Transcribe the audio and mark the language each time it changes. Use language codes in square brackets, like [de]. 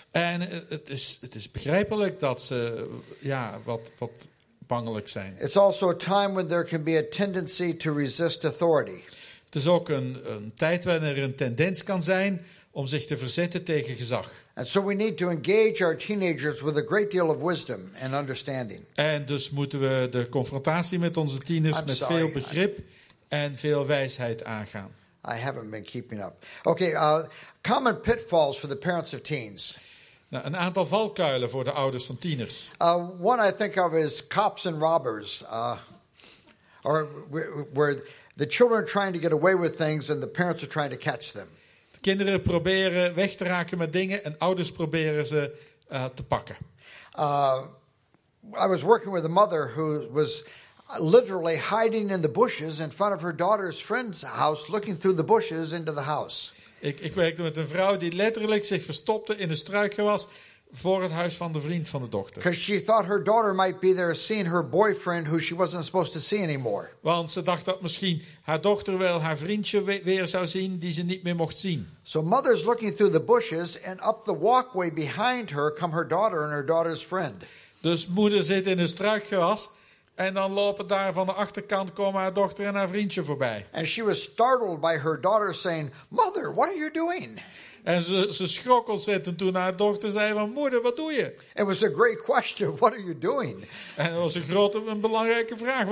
[nl] En het is begrijpelijk dat ze wat bangelijk zijn. [en] It's also a time when there can be a tendency to resist authority. [nl] Het is ook een tijd wanneer er een tendens kan zijn om zich te verzetten tegen gezag. [en] And so we need to engage our teenagers with a great deal of wisdom and understanding. [nl] En dus moeten we de confrontatie met onze tieners met veel begrip en veel wijsheid aangaan. [en] I haven't been keeping up. Okay, common pitfalls for the parents of teens. [nl] Nou, een aantal valkuilen voor de ouders van tieners. [en] One I think of is cops and robbers. Or where the children are trying to get away with things and the parents are trying to catch them. [nl] De kinderen proberen weg te raken met dingen en ouders proberen ze te pakken. [en] I was working with a mother who was literally hiding in the bushes in front of her daughter's friend's house, looking through the bushes into the house. [nl] Ik werkte met een vrouw die letterlijk zich verstopte in een struikgewas voor het huis van de vriend van de dochter. [en] Because she thought her daughter might be there seeing her boyfriend, who she wasn't supposed to see anymore. [nl] Want ze dacht dat misschien haar dochter wel haar vriendje weer zou zien die ze niet meer mocht zien. [en] So mother's looking through the bushes, and up the walkway behind her come her daughter and her daughter's friend. [nl] Dus moeder zit in een struikgewas. En dan lopen daar van de achterkant komen haar dochter en haar vriendje voorbij. [en] And she was startled by her daughter saying, "Mother, what are you doing?" [nl] En ze schrok ontzettend toen haar dochter zei van, "Moeder, wat doe je?" [en] It was a great question. What are you doing? [nl] En het was een grote, een belangrijke vraag.